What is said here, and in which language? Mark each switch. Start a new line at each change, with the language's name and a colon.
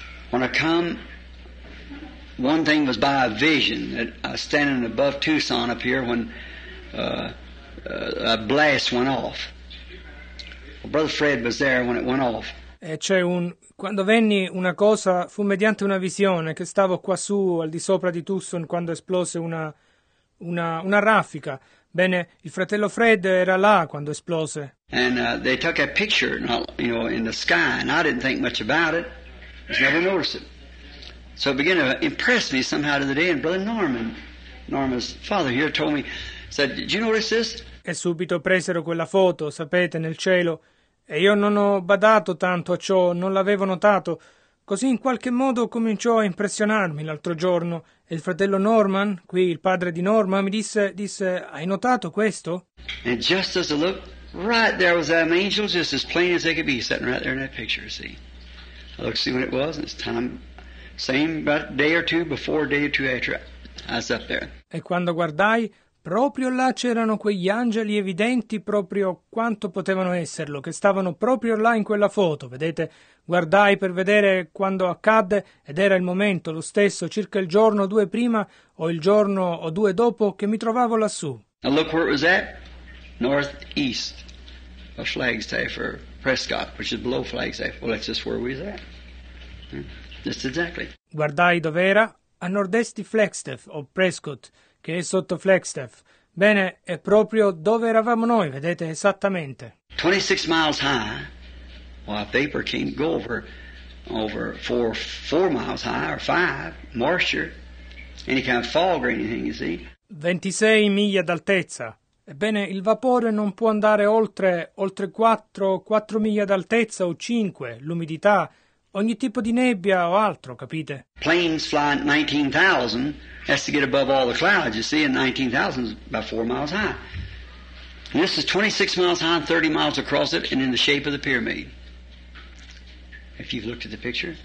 English: When I come, one thing was by a vision that I was standing above Tucson up here when a blast went off. Well, Brother Fred was there when it went off.
Italian: E c'è un quando venni una cosa fu mediante una visione che stavo qua su al di sopra di Tucson quando esplose una raffica. Bene, il fratello Fred era là quando esplose.
English: And they took a picture, you know, in the sky, and I didn't think much about it. I just never noticed it. So it began to impress me somehow to the day, and Brother Norman's father here told me, said, did you notice this?
Italian: E subito presero quella foto, sapete, nel cielo, e io non ho badato tanto a ciò, non l'avevo notato. Così in qualche modo cominciò a impressionarmi l'altro giorno. E il fratello Norman, qui il padre di Norma, mi disse, hai notato questo?
English: And just as I looked, right there was that angel, just as plain as they could be, sitting right there in that picture, see. I looked to see what it was, and it's time, same about day or two before, day or two after, I was up there.
Italian: E quando guardai, proprio là c'erano quegli angeli evidenti proprio quanto potevano esserlo, che stavano proprio là in quella foto, vedete? Guardai per vedere quando accadde ed era il momento, lo stesso, circa il giorno o due prima o il giorno o due dopo che mi trovavo lassù.
English: Now look where it was at, northeast of Flagstaff or Prescott, which is below Flagstaff. Well, that's just where we was at. Just exactly.
Italian: Guardai dov'era, a nord-est di Flagstaff, o Prescott, che è sotto Flagstaff. Bene, è proprio dove eravamo noi, vedete esattamente.
English: 26 miles high, while vapor can go over four miles high, or five, moisture, any kind of fog or anything, you see.
Italian: 26 miglia d'altezza. Ebbene, il vapore non può andare oltre 4 miglia d'altezza o 5, l'umidità, ogni tipo di nebbia o altro, capite?
English: Planes fly 19,000, has to get above all the clouds, you see, and 19,000 is about 4 miles high. And this is 26 miles high and 30 miles across it and in the shape of the pyramid. If you've looked at the picture.